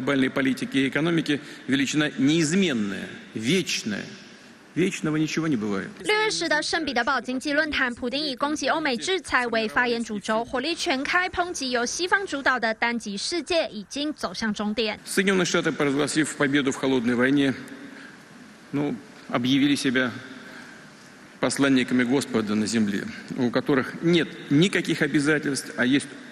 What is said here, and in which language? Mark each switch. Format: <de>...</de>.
<ru>политики и экономики величина неизменная, вечная.</ru> <zh>6月10日的圣彼得堡经济论坛，普丁以攻击欧美制裁为发言主轴，火力全开抨击由西方主导的单极世界已经走向终点。</zh> <ru>Соединенные Штаты, провозгласив победу в холодной войне, объявили себя посланниками Господа на земле, у которых нет никаких обязательств, а есть.</ru>